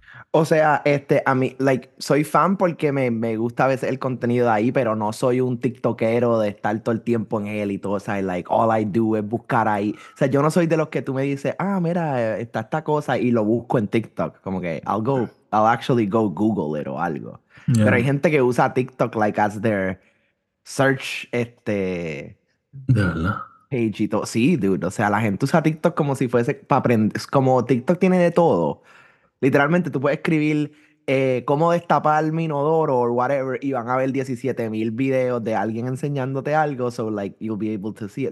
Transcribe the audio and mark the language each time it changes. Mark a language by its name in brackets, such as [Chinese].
[Spanish] O sea, a mí, soy fan porque me gusta a veces el contenido de ahí, pero no soy un tiktokero de estar todo el tiempo en él y todo, o sea, [English] all I do [Spanish] es buscar ahí. O sea, yo no soy de los que tú me dices, mira, está esta cosa y lo busco en TikTok. Como que [English] I'll actually go Google it [Spanish] o algo. [English] Yeah. [Spanish] Pero hay gente que usa TikTok, [English] as their search, [Spanish] ¿De verdad? Page y todo. Sí, dude, o sea, la gente usa TikTok como si fuese para aprender, como TikTok tiene de todo. Literalmente, tú puedes escribir cómo destapar mi inodoro o whatever y van a ver 17,000 videos de alguien enseñándote algo, [English] so you'll be able to see it.